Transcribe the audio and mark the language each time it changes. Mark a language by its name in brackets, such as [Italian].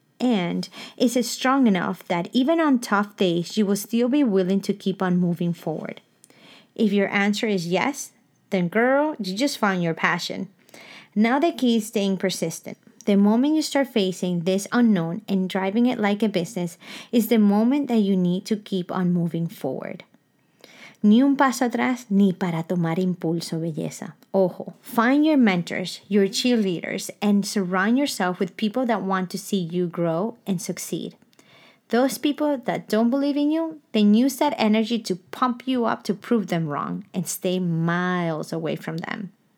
[English] And is it strong enough that even on tough days, you will still be willing to keep on moving forward? If your answer is yes, then girl, you just found your passion. Now the key is staying persistent. The moment you start facing this unknown and driving it like a business is the moment that you need to keep on moving forward. [Spanish] Ni un paso atrás ni para tomar impulso, belleza. Ojo, [English] find your mentors, your cheerleaders, and surround yourself with people that want to see you grow and succeed. Those people that don't believe in you, then use that energy to pump you up to prove them wrong and stay miles away from them.